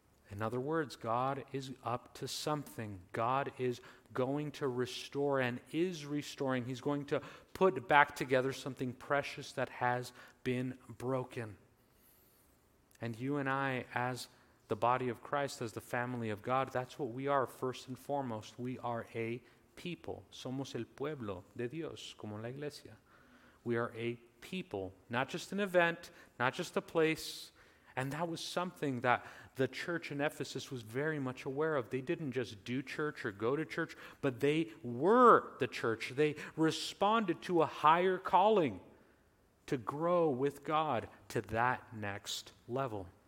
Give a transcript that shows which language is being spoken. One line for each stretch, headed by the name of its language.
English: In other words, God is up to something. God is going to restore and is restoring. He's going to put back together something precious that has been broken. And you and I, as the body of Christ, as the family of God, that's what we are first and foremost. We are a people.
Spanish: Somos el pueblo de Dios, como la iglesia.
English: We are a people, not just an event, not just a place. And that was something that the church in Ephesus was very much aware of. They didn't just do church or go to church, but they were the church. They responded to a higher calling to grow with God to that next level.